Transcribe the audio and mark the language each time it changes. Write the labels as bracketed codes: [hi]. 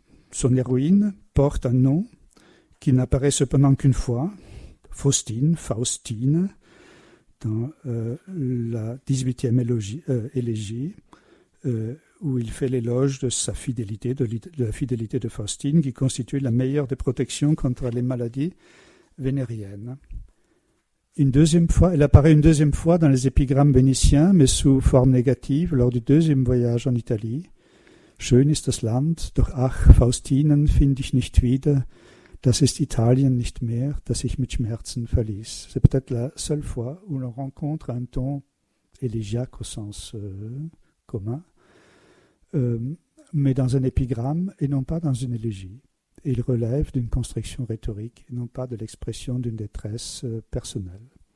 [fr] Son héroïne porte un nom qui n'apparaît cependant qu'une fois, Faustine, dans la 18e élégie, où il fait l'éloge de sa fidélité, de la fidélité de Faustine, qui constitue la meilleure des protections contre les maladies vénériennes. Elle apparaît une deuxième fois dans les épigrammes vénitiens, mais sous forme négative, lors du deuxième voyage en Italie. [de] Schön ist das Land, doch ach, Faustinen finde ich nicht wieder. Das ist Italien nicht mehr, das ich mit Schmerzen verließ. [fr] C'est peut-être la seule fois où l'on rencontre un ton élégiaque au sens commun, mais dans un épigramme et non pas dans une élégie. Et il relève d'une construction rhétorique et non pas de l'expression d'une détresse personnelle.